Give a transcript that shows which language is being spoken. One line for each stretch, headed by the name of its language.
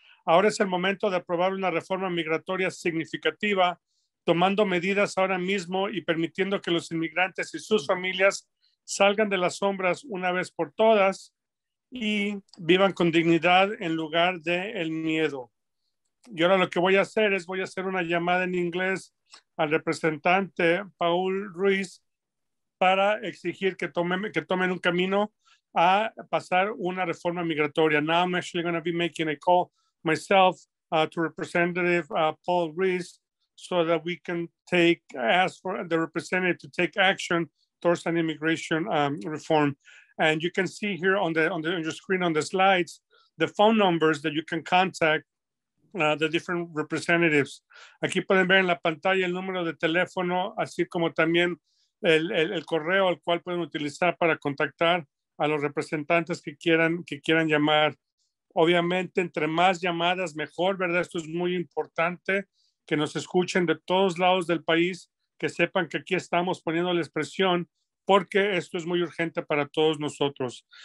Spanish: Ahora es el momento de aprobar una reforma migratoria significativa, tomando medidas ahora mismo y permitiendo que los inmigrantes y sus familias salgan de las sombras una vez por todas y vivan con dignidad en lugar del miedo. Y ahora lo que voy a hacer es voy a hacer una llamada en inglés al representante Paul Ruiz para exigir que tomen un camino a pasar una reforma migratoria.
English: Now I'm actually going to be making a call myself to Representative Paul Ruiz so that we can ask for the representative to take action Torts and Immigration Reform. And you can see here on your screen on the slides, the phone numbers that you can contact the different representatives.
Spanish: Aquí pueden ver en la pantalla el número de teléfono, así como también el correo al cual pueden utilizar para contactar a los representantes que quieran llamar. Obviamente, entre más llamadas, mejor, ¿verdad? Esto es muy importante, que nos escuchen de todos lados del país, que sepan que aquí estamos poniéndoles presión, porque esto es muy urgente para todos nosotros.